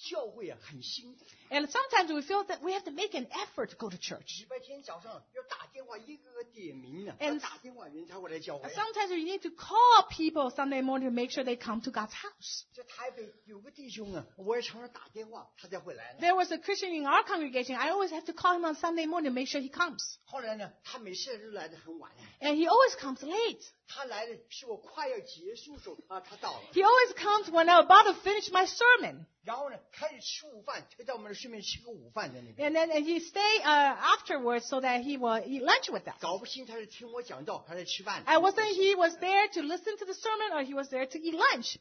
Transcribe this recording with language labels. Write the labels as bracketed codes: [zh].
[zh] 弟兄姐妹们呢，我们常常觉得啊，去教会啊很辛苦。 [en] And sometimes we feel that we have to make an effort to go to church. [zh] 礼拜天早上要打电话，一个个点名呢，要打电话人才会来教会。 [en] And sometimes we need to call people Sunday morning to make sure they come to God's house. [zh] 这台北有个弟兄啊，我也常常打电话，他才会来。 [en] There was a Christian in our congregation. I always have to call him on Sunday morning to make sure he comes. [zh] 后来呢，他每次都来得很晚。 [en] And he always comes late. [zh] 他来的是我快要结束时候啊，他到了。 [en] He always comes when I'm about to finish my sermon. [zh] 然后呢，开始吃午饭，他在我们顺便吃个午饭在那边。 [en] And then he stay afterwards so that he will eat lunch with us. [zh] 搞不清他是听我讲道还是吃饭。 [en] And wasn't he was there to listen to the sermon or he was there to eat lunch?